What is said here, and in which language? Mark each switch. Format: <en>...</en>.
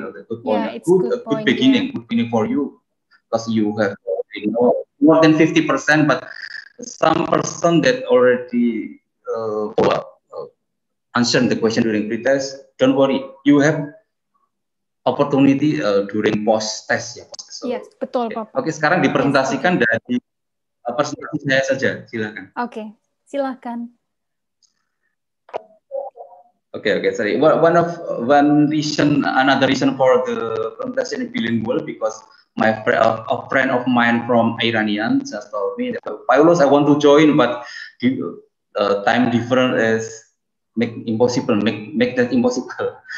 <en>A good beginning. Good beginning for you, because you have you know, more than 50%. But some person that already answered the question during pretest, don't worry, you have opportunity during post test.</en> <id>Ya.</id> <en>So, yes,</en> <id>betul, Pak. Okay. Okay, sekarang dipresentasikan yes, dari presentasi saya saja, silakan. Okay, silakan.</id> <en>Okay, okay, sorry. One reason for the contest in bilingual because my a friend of mine from Iranian just told me that Paulus, I want to join, but time difference is make that impossible.</en>